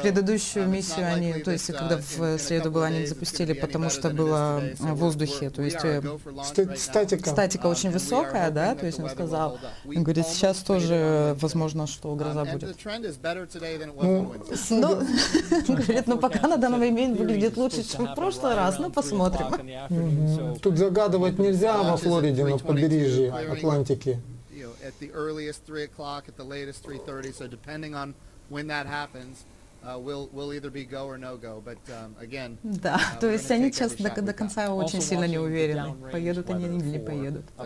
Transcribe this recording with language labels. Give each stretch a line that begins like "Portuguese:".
Russian: Предыдущую миссию они, то есть когда в среду была, они запустили, потому что было в воздухе, то есть статика очень высокая, да, то есть он сказал, говорит, сейчас тоже возможно, что гроза будет. Говорит, ну пока на данный момент выглядит лучше, чем в прошлый раз, ну посмотрим. Тут загадывать нельзя во Флориде, на побережье Атлантики.
English: At the earliest 3 o'clock, at the latest 3:30. So depending on when that happens, we'll either be go or no go. But again,
Russian: да, то есть они сейчас до конца очень сильно не уверены, поедут они или не поедут.